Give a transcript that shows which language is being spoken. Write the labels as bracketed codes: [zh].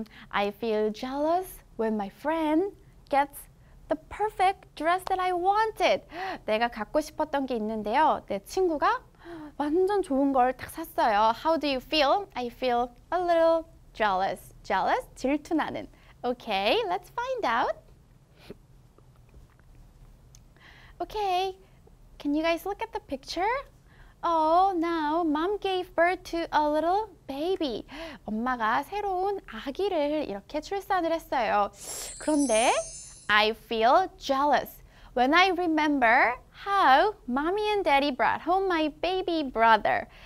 [en] I feel jealous when my friend gets the perfect dress that I wanted. [ko] 내가 갖고 싶었던 게 있는데요. 내 친구가 완전 좋은 걸 딱 샀어요. [en] How do you feel? I feel a little jealous. Jealous? [ko] 질투 나는. [en] Okay, let's find out. Okay, can you guys look at the picture? Oh, now mom gave birth to a little baby. [ko] 엄마가 새로운 아기를 이렇게 출산을 했어요. [en] 그런데 I feel jealous when I remember how mommy and daddy brought home my baby brother.